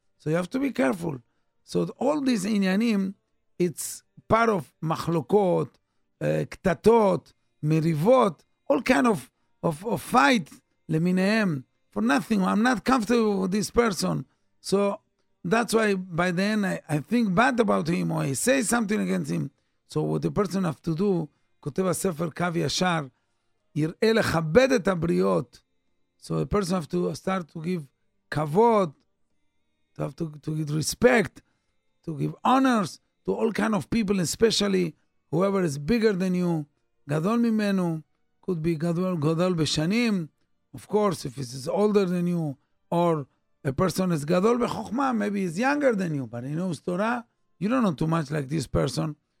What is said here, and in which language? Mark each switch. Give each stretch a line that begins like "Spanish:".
English: So you have to be careful. So all these inyanim, it's part of machlokot, ktatot, merivot, all kind of fight leminehem for nothing. I'm not comfortable with this person. So that's why by the end I think bad about him or I say something against him. So what the person have to do,
Hebrew: כותב הספר קו ישר, יראה לכבד את הבריאות.
English: So a person have to start to give כבוד, to have to give respect, to give honors to all kind of people, especially whoever is bigger than you,
Hebrew: גדול ממנו,
English: could be
Hebrew: גדול בשנים,
English: of course, if he's older than you, or a person is
Hebrew: גדול בחוכמה,
English: maybe he's younger than you, but he knows Torah, you don't know too much like this person.